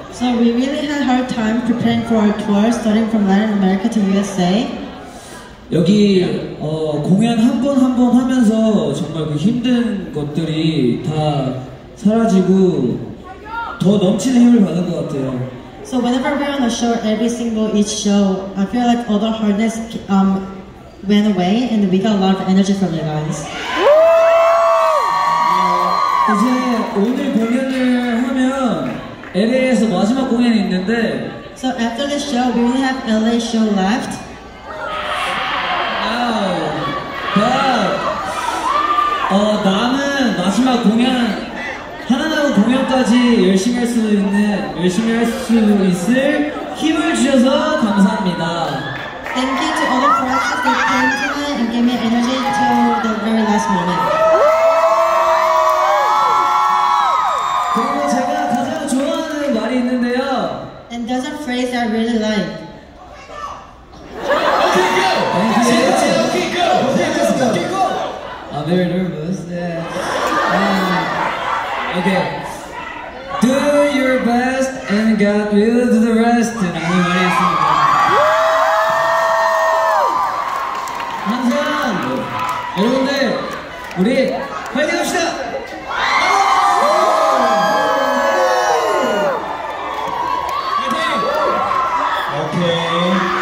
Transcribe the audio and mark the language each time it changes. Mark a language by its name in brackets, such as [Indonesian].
[English] So we really had a hard time preparing for our tour, starting from Latin America to USA. [Korean] 여기 공연 한 번 한 번 하면서 정말 그 힘든 것들이 다 사라지고 더 넘치는 힘을 받은 것 같아요. [English] So whenever we're on a show, each show, I feel like all the hardness went away and we got a lot of energy from you guys. [Korean] 이제 오늘 공연을 하면 LA에서 마지막 공연이 있는데 [English] So after this show, we only have LA show left. Wow. [Korean] But 나는 마지막 공연 하나남은 공연까지 열심히 할 수 있을 힘을 주셔서 감사합니다. [English] Thank you to all the friends that came tonight and gave me energy to the very last moment. [Korean] 그리고 제가 가장 좋아하는 말이 있는데요. [English] And there's a phrase I really like. Okay, go! I'm very nervous. Okay. Do your best and God will do the rest. [Korean] 라는 말이 있습니다. 항상 여러분들 우리 파이팅 합시다! 파이팅! 오케이.